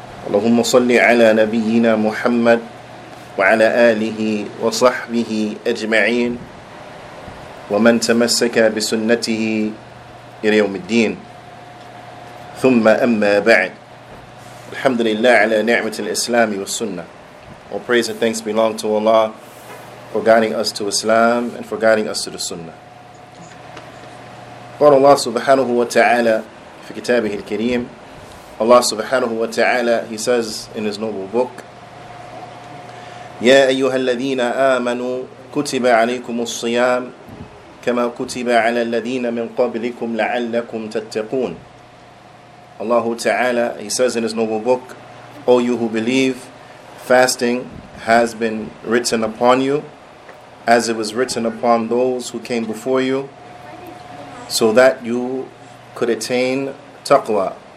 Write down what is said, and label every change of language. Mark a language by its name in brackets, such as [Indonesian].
[Arabic] Allahumma salli ala nabiyyina muhammad, wa ala alihi wa sahbihi ajma'in, ومن تمسك بسنته إلى يوم الدين ثم أما بعد الحمد لله على نعمة الإسلام والسنة. [English] All praise and thanks belong to Allah for guiding us to Islam and for guiding us to the Sunnah. [Arabic] قال الله سبحانه وتعالى في كتابه الكريم. Allah سبحانه وتعالى, [English] He says in His noble book, [Arabic] يا أيها الذين آمنوا كتب عليكم الصيام كما كتب على الذين من قبلكم لعلكم تتقون. [English] Allah Ta'ala, He says in His noble book, O you who believe, fasting has been written upon you as it was written upon those who came before you, so that you could attain taqwa.